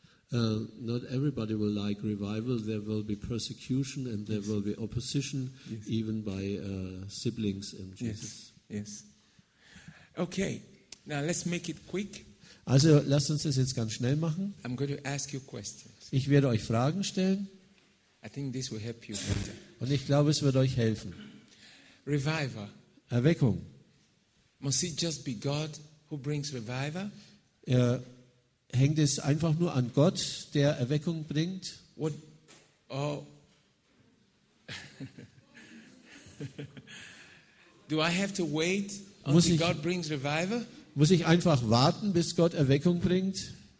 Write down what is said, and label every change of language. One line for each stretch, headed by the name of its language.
English: Not everybody will like revival. There will be persecution and there will be opposition, even by siblings in Jesus. Yes. Okay. Now let's make it quick.
German: Also lasst uns das jetzt ganz schnell machen.
English: I'm going to ask you questions.
German: Ich werde euch Fragen stellen.
English: I think this will help you better.
German: Und ich glaube, es wird euch helfen.
English: Revival.
German: Erweckung.
English: Must it just be God who brings revival?
German: Hängt es einfach nur an Gott, der Erweckung bringt?
English: What? Oh. Do I have to wait until God brings revival?
German: Muss ich einfach warten, bis Gott Erweckung bringt?